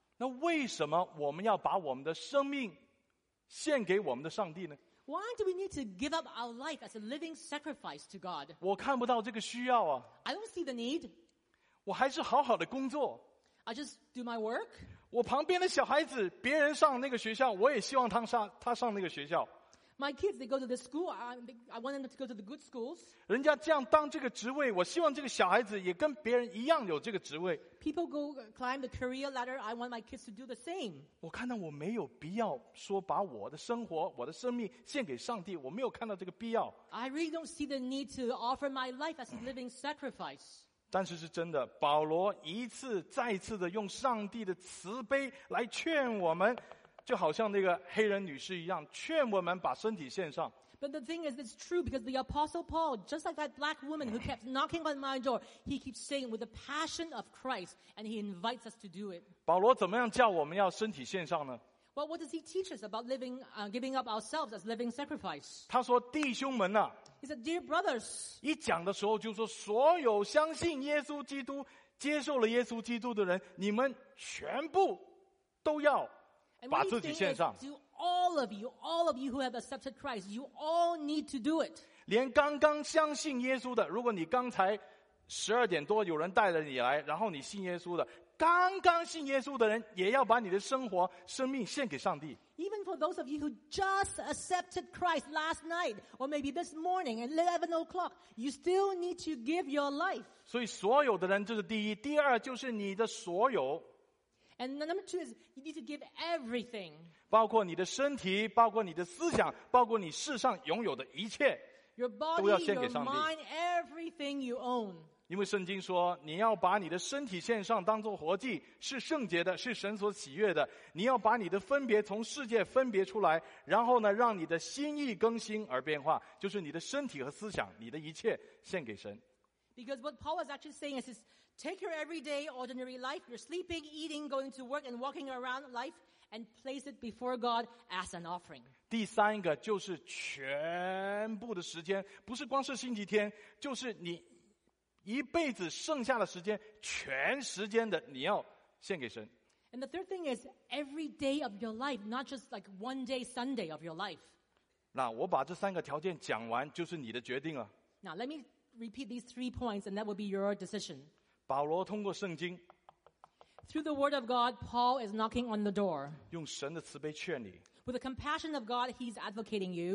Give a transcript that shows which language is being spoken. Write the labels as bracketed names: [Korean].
[Chinese] 那为什么我们要把我们的生命献给我们的上帝呢 [English] Why do we need to give up our life as a living sacrifice to God? [Chinese] 我看不到这个需要啊 [English] I don't see the need. [Chinese] 我还是好好的工作 [English] I just do my work. [Chinese] 我旁边的小孩子别人上那个学校我也希望他上那个学校 [English] My kids, they go to the school. I want them to go to the good schools. [Chinese] 人家这样当这个职位我希望这个小孩子也跟别人一样有这个职位 [English] People go climb the career ladder. I want my kids to do the same. [Chinese] 我看到我没有必要说把我的生活、我的生命献给上帝。我没有看到这个必要。 [English] I really don't see the need to offer my life as a living sacrifice. [Chinese] 但是是真的，保罗一次再次的用上帝的慈悲来劝我们，就好像那个黑人女士一样，劝我们把身体献上。 [English] But the thing is, it's true because the Apostle Paul, just like that black woman who kept knocking on my door, he keeps saying with the passion of Christ, and he invites us to do it. [Chinese] 保罗怎么样叫我们要身体献上呢 [English] ？Well, what does he teach us about living, giving up ourselves as living sacrifice? [Chinese] 他说，弟兄们呐、啊、 [English] ，He said, dear brothers. [Chinese] 一讲的时候就说，所有相信耶稣基督、接受了耶稣基督的人，你们全部都要把自己献上。 [English] All of you who have accepted Christ, you all need to do it. [Chinese] 连刚刚相信耶稣的，如果你刚才十二点多有人带着你来，然后你信耶稣的，刚刚信耶稣的人也要把你的生活、生命献给上帝。 [English] Even for those of you who just accepted Christ last night, or maybe this morning at 11 o'clock, you still need to give your life. [Chinese] 所以所有的人就是第一，第二就是你的所有。 [English] And number two is you need to give everything. [Chinese] 包括你的身体，包括你的思想，包括你世上拥有的一切。 [English] Your body, your mind, everything you own. [Chinese] 因为圣经说，你要把你的身体献上，当作活祭，是圣洁的，是神所喜悦的。你要把你的分别从世界分别出来，然后呢，让你的心意更新而变化，就是你的身体和思想，你的一切献给神。 [English] Because what Paul is actually saying is, take your everyday ordinary life, your sleeping, eating, going to work, and walking around life, and place it before God as an offering. [Chinese] 第三个就是全部的时间，不是光是星期天，就是你一辈子剩下的时间，全时间的你要献给神。 [English] And the third thing is every day of your life, not just like one day Sunday of your life. [Chinese] 那我把这三个条件讲完，就是你的决定了。 [English] Now let me. Repeat these three points, and that will be your decision. [Chinese] 保罗通过圣经 [English] through the word of God, Paul is knocking on the door. [Chinese] 用神的慈悲劝你 [English] with the compassion of God, he's advocating you.